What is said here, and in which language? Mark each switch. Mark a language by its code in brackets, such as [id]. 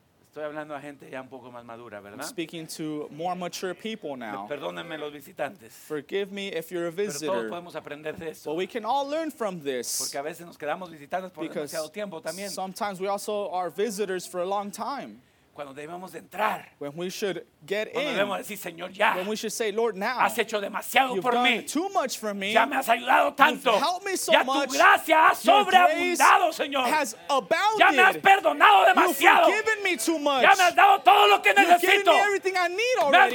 [es] Estoy hablando a gente ya un poco más madura, ¿verdad? [en] I'm speaking to more mature people now. [es] Perdónenme los visitantes. [en] Forgive me if you're a visitor. [es] Pero todos podemos aprender de eso. [en] But we can all learn from this. [es] Porque a veces nos quedamos visitantes por [en] Because [es] demasiado tiempo también. [en] Sometimes we also are visitors for a long time. [es] Cuando debemos de entrar. [en] When we should get [es] Cuando [en] in. [es] Cuando debemos decir, Señor, ya. [en] When we should say, Lord, now. [es] Has hecho demasiado [en] You've [es] por [en] done [es] mí. [en] Too much for me. [es] Ya me has ayudado tanto. [en] You've helped me so [es] ya [en] much. [es] Ya tu gracia ha sobreabundado, Señor. [en] Has abounded. [es] Ya me has perdonado demasiado. [en] You've forgiven me too much. [es] Ya me has dado todo lo que [en] You've [es] necesito. [en] Given me everything I need already.